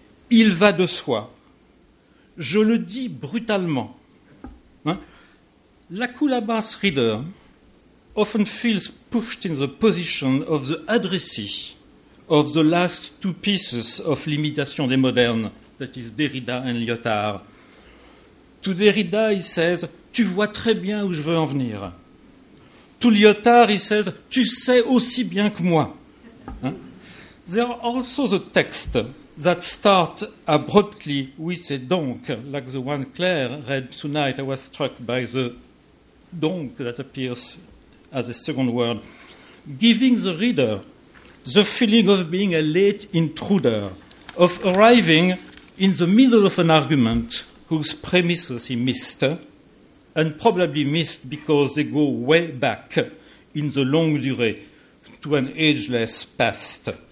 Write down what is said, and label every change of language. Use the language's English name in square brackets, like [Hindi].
[French] Il va de soi. Je le dis brutalement. Hein? [English] La coulabasse reader often feels pushed in the position of the addressee of the last two pieces of L'Imitation des Modernes, that is Derrida and Lyotard. To Derrida, he says, [French] tu vois très bien où je veux en venir. [English] To Lyotard, he says, [French] tu sais aussi bien que moi. Hein? [English] There are also the texts that start abruptly with a donc, like the one Claire read tonight. I was struck by the donc that appears as a second word, giving the reader the feeling of being a late intruder, of arriving in the middle of an argument whose premises he missed, and probably missed because they go way back in the long durée to an ageless past.